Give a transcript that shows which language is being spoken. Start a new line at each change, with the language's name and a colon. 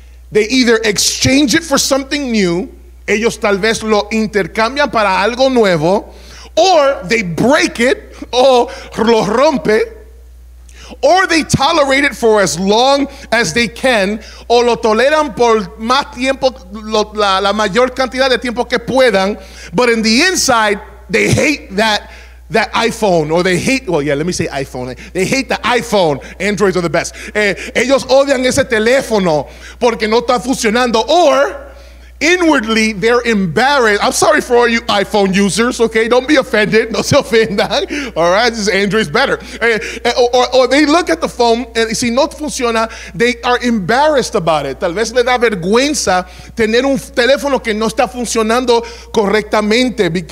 English: They either exchange it for something new,
Spanish: ellos tal vez lo intercambian para algo nuevo,
English: or they break it,
Spanish: o lo rompe,
English: or they tolerate it for as long as they can,
Spanish: o lo toleran por más tiempo, la mayor cantidad de tiempo que puedan,
English: but in the inside, they hate that iPhone, or they hate, well, yeah, let me say iPhone. They hate the iPhone. Androids are the best.
Spanish: Ellos odian ese teléfono porque no está funcionando.
English: Or, inwardly, they're embarrassed. I'm sorry for all you iPhone users, okay? Don't be offended.
Spanish: No se ofendan.
English: All right, this is Android's better. Or they look at the phone, and
Spanish: si no funciona,
English: they are embarrassed about it.
Spanish: Tal vez le da vergüenza tener un teléfono que no está funcionando correctamente.